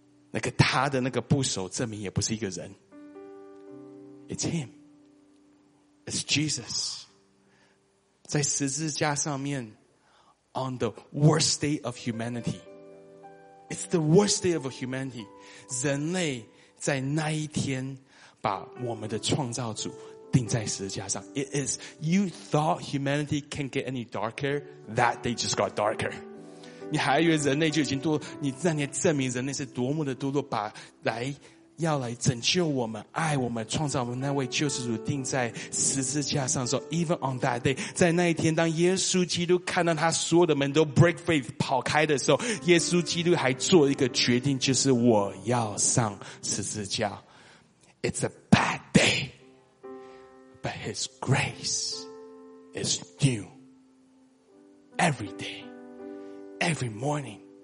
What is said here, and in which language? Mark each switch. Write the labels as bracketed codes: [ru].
[zh] 那个他的那个部首证明也不是一个人， [en] It's him, It's Jesus。 [zh] 在十字架上面， [en] On the worst day of humanity, It's the worst day of humanity。 [zh] 人类在那一天把我们的创造主钉在十字架上。 [en] It is, you thought humanity can't get any darker, that day just got darker. [zh] 你还以为人类就已经堕落，你那天证明人类是多么的堕落，把来要来拯救我们爱我们创造我们那位救世主钉在十字架上的时候， [en] Even on that day, [zh] 在那一天当耶稣基督看到他所有的门都 [en] break faith [zh] 跑开的时候，耶稣基督还做一个决定，就是我要上十字架。 [en] It's a bad day, but his grace is new every day, every morning.